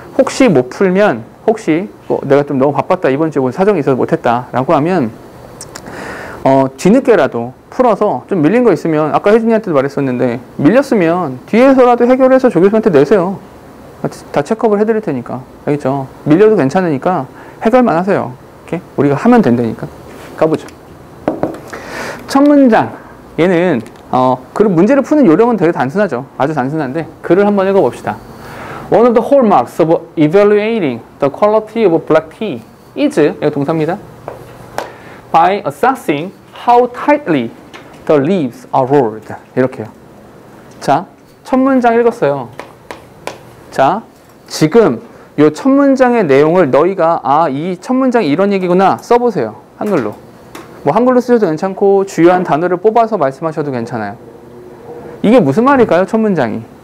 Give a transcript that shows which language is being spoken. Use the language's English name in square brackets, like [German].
[Korean] 혹시 못 풀면, 혹시 뭐 내가 좀 너무 바빴다, 이번 주에 사정이 있어서 못했다, 라고 하면, 뒤늦게라도 풀어서 좀 밀린 거 있으면, 아까 혜진이한테도 말했었는데, 밀렸으면 뒤에서라도 해결해서 조교수한테 내세요. 다 체크업을 해드릴 테니까. 알겠죠? 밀려도 괜찮으니까 해결만 하세요. 이렇게 우리가 하면 된다니까. 가보죠. 첫 문장. 얘는 그 문제를 푸는 요령은 되게 단순하죠. 아주 단순한데 글을 한번 읽어봅시다. [English] One of the hallmarks of evaluating the quality of black tea is, [Korean] 이거 동사입니다, [English] by assessing how tightly the leaves are rolled. [Korean] 이렇게요. 자, 첫 문장 읽었어요. 자, 지금 이 첫 문장의 내용을 너희가 이 첫 문장이 이런 얘기구나 써보세요. 한글로. 뭐 한글로 쓰셔도 괜찮고 주요한 단어를 뽑아서 말씀하셔도 괜찮아요. 이게 무슨 말일까요? 첫 문장이.